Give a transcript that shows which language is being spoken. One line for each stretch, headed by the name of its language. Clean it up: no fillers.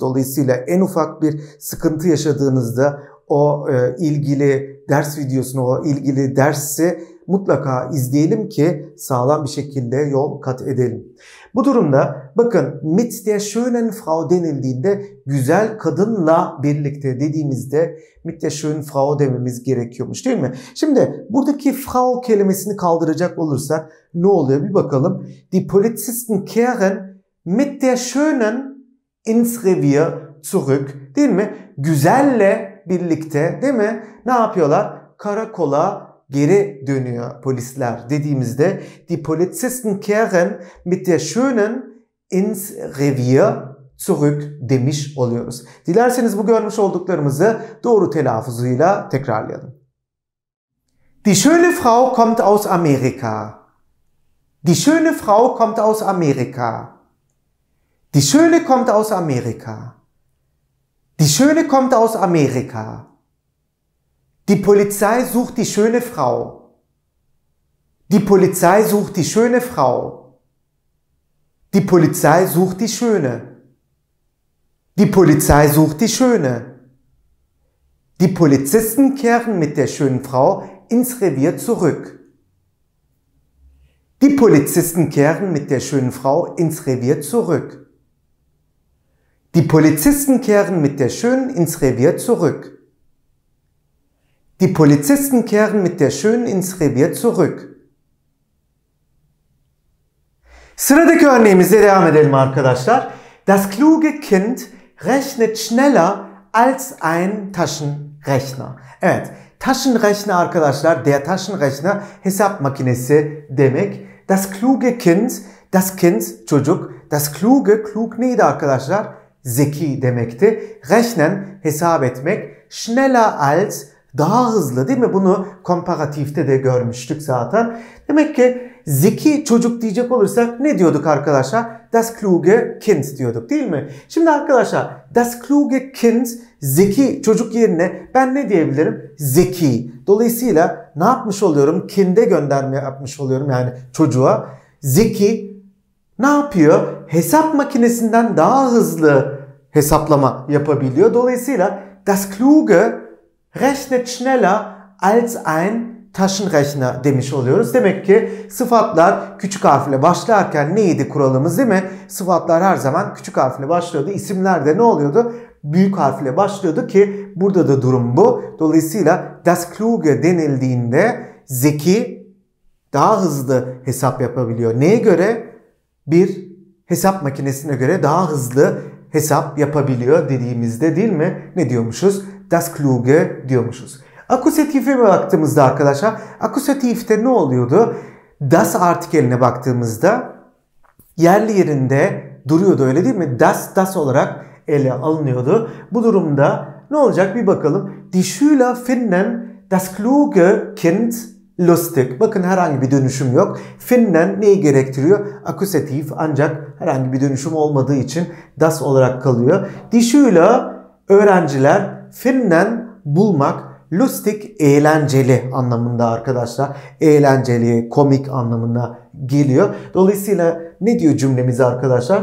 Turkish: Dolayısıyla en ufak bir sıkıntı yaşadığınızda o ilgili ders videosunu, o ilgili dersi mutlaka izleyelim ki sağlam bir şekilde yol kat edelim. Bu durumda bakın
German: mit der schönen Frau
Turkish: denildiğinde güzel kadınla birlikte dediğimizde mit der schönen Frau dememiz gerekiyormuş değil mi? Şimdi buradaki Frau kelimesini kaldıracak olursak ne oluyor bir bakalım.
German: Die Polizisten kehren mit der schönen ins Revier zurück
Turkish: değil mi? Güzelle birlikte değil mi? Ne yapıyorlar? Karakola geri dönüyor polisler dediğimizde
German: die Polizisten kehren mit der schönen ins Revier zurück
Turkish: demiş oluyoruz. Dilerseniz bu görmüş olduklarımızı doğru telaffuzuyla tekrarlayalım.
German: Die schöne Frau kommt aus Amerika. Die schöne Frau kommt aus Amerika. Die schöne kommt aus Amerika. Die schöne kommt aus Amerika. Die Polizei sucht die schöne Frau. Die Polizei sucht die schöne Frau. Die Polizei sucht die schöne. Die Polizei sucht die schöne. Die Polizisten kehren mit der schönen Frau ins Revier zurück. Die Polizisten kehren mit der schönen Frau ins Revier zurück. Die Polizisten kehren mit der schönen ins Revier zurück. Die Polizisten kehren mit der schönen ins Revier zurück.
Turkish: Sıradaki örneğimize devam edelim arkadaşlar.
German: Das kluge Kind rechnet schneller als ein Taschenrechner.
Turkish: Evet, Taschenrechner arkadaşlar,
German: der Taschenrechner
Turkish: hesap makinesi demek. Das kluge Kind, das Kind çocuk,
German: das kluge
Turkish: klug neydi arkadaşlar? Zeki demekti. Rechnen hesap etmek,
German: schneller als
Turkish: daha hızlı değil mi? Bunu komparatifte de görmüştük zaten. Demek ki zeki çocuk diyecek olursak ne diyorduk arkadaşlar?
German: Das kluge Kind
Turkish: diyorduk değil mi? Şimdi arkadaşlar das kluge Kind zeki çocuk yerine ben ne diyebilirim? Zeki. Dolayısıyla ne yapmış oluyorum? Kind'e gönderme yapmış oluyorum yani çocuğa. Zeki ne yapıyor? Hesap makinesinden daha hızlı hesaplama yapabiliyor. Dolayısıyla
German: das kluge Rechnet schneller als ein Taschenrechner
Turkish: demiş oluyoruz. Demek ki sıfatlar küçük harfle başlarken neydi kuralımız değil mi? Sıfatlar her zaman küçük harfle başlıyordu. İsimler de ne oluyordu? Büyük harfle başlıyordu ki burada da durum bu. Dolayısıyla
German: das kluge
Turkish: denildiğinde zeki daha hızlı hesap yapabiliyor. Neye göre? Bir hesap makinesine göre daha hızlı hesap yapabiliyor dediğimizde değil mi? Ne diyormuşuz?
German: Das kluge
Turkish: diyormuşuz. Akusatife mi baktığımızda arkadaşlar? Akusatifte ne oluyordu? Das artikeline baktığımızda yerli yerinde duruyordu öyle değil mi? Das, das olarak ele alınıyordu. Bu durumda ne olacak bir bakalım.
German: Die Schüler finden das kluge Kind lustig.
Turkish: Bakın herhangi bir dönüşüm yok. Finden neyi gerektiriyor? Akusatif ancak herhangi bir dönüşüm olmadığı için das olarak kalıyor.
German: Die Schüler
Turkish: öğrenciler finden bulmak lustig eğlenceli anlamında arkadaşlar. Eğlenceli, komik anlamına geliyor. Dolayısıyla ne diyor cümlemiz arkadaşlar?